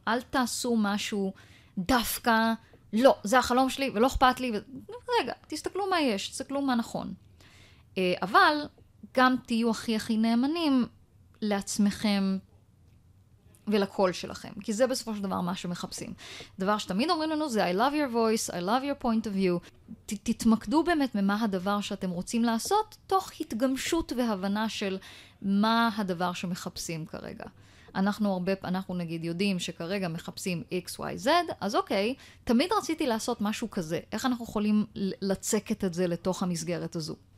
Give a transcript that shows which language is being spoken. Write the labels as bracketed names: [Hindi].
[Hebrew] אל תעשו משהו דווקא, לא, זה החלום שלי, ולא אכפת לי. רגע, תסתכלו מה יש, תסתכלו מה נכון. אבל גם תהיו הכי הכי נאמנים לעצמכם, ולקול שלכם, כי זה בסופו של דבר מה שמחפשים. דבר שתמיד אומרים לנו זה, [English] I love your voice, I love your point of view. [Hebrew] תתמקדו באמת במה הדבר שאתם רוצים לעשות, תוך התגמשות והבנה של מה הדבר שמחפשים כרגע. אנחנו הרבה, אנחנו נגיד יודעים שכרגע מחפשים X, Y, Z, אז אוקיי, תמיד רציתי לעשות משהו כזה. איך אנחנו יכולים לצקת את זה לתוך המסגרת הזו?